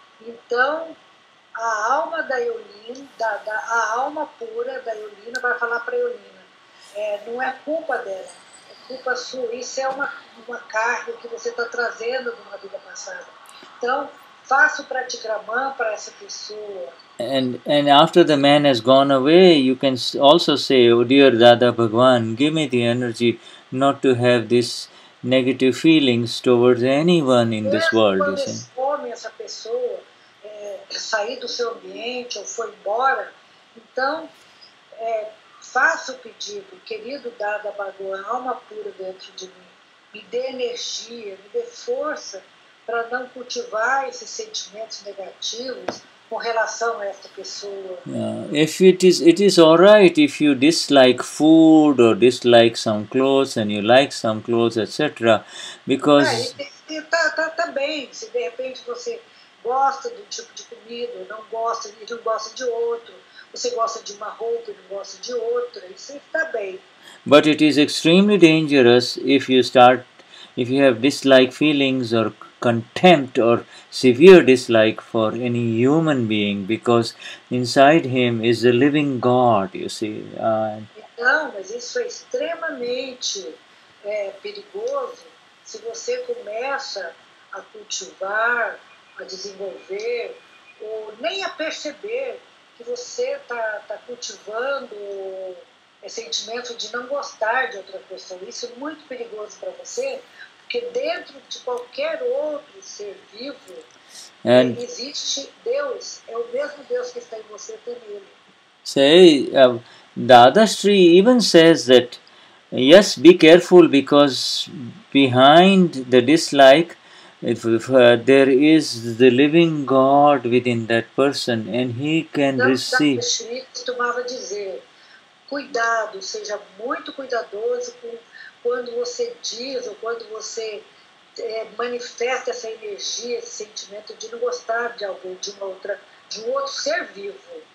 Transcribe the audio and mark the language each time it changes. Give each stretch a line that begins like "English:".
Portuguese: Então, a alma da Evelina, a alma pura da Evelina vai falar para Evelina. Não é culpa dela, é culpa sua. Isso é uma carga que você está trazendo de uma vida passada. Então, faça o pratikraman para essa pessoa.
English: And after the man has gone away, you can also say, oh dear Dada Bhagwan, give me the energy not to have this negative feelings towards anyone in this world.
Portuguese: Quando expõe essa pessoa, sair do seu ambiente ou foi embora, então, faça o pedido, querido Dada Bhagwan, alma pura dentro de mim, me dê energia, me dê força, para não cultivar esses sentimentos negativos com relação a esta pessoa.
English: Yeah. If it is all right if you dislike food or dislike some clothes and you like some clothes, etc. Because
Portuguese: tá bem, se de repente você gosta de um tipo de comida, não gosta de outro, você gosta de uma roupa e não gosta de outra, isso está bem.
English: But it is extremely dangerous if you have dislike feelings or contempt or severe dislike for any human being, because inside him is the living God, you see.
Portuguese: Então, mas isso é extremamente perigoso se você começa a cultivar, a desenvolver, ou nem a perceber que você está cultivando é sentimento de não gostar de outra pessoa. Isso é muito perigoso para você, porque dentro de qualquer outro ser vivo, existe Deus, é o mesmo Deus que está em você, tem ele.
English: Say, Dadashri even says that, yes, be careful, because behind the dislike, there is the living God within that person, and he can receive.
Portuguese: Dadashri costumava dizer, cuidado, seja muito cuidadoso com quando você diz ou quando você manifesta essa energia, esse sentimento de não gostar de alguém, de uma outra, de um outro ser vivo.